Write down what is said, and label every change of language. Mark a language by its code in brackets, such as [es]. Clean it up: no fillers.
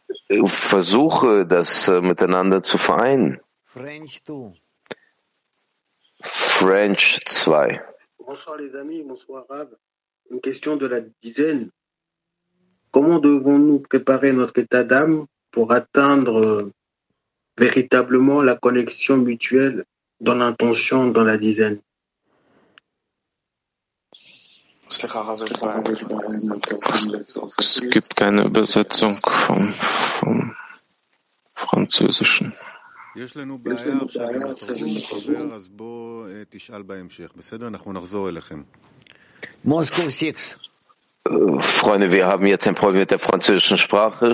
[de] Ich versuche, das miteinander zu vereinen. [en] French 2. [fr] Bonsoir les amis, bonsoir Rav. Une question de la dizaine. Comment devons-nous préparer notre état d'âme pour atteindre véritablement la connexion mutuelle dans l'intention dans la dizaine? [de] Es gibt keine Übersetzung vom Französischen. Freunde, wir haben jetzt ein Problem mit der französischen Sprache.